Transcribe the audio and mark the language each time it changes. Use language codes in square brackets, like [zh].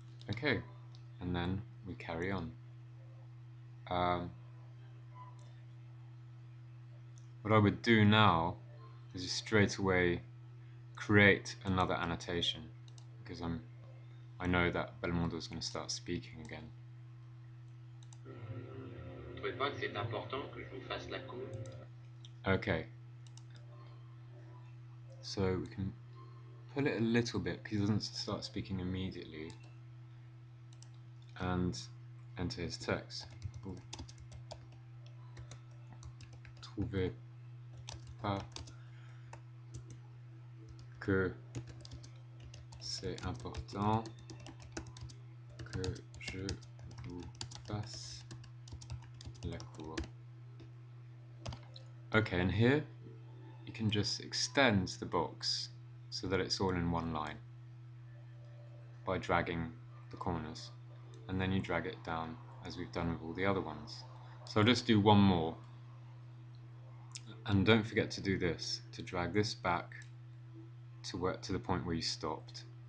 [en] Okay, and then we carry on. What I would do now is just straight away create another annotation, because I know that Belmondo is going to start speaking again. [fr] Vous trouvez pas que c'est important que je vous fasse la cour? [en] Okay. So we can pull it a little bit because he doesn't start speaking immediately. And enter his text. [fr] Trouvez pas que c'est important que je vous passe la cour. [en] Okay, and here you can just extend the box so that it's all in one line by dragging the corners, and then you drag it down as we've done with all the other ones. So I'll just do one more. And don't forget to do this, to drag this back to where, to the point where you stopped.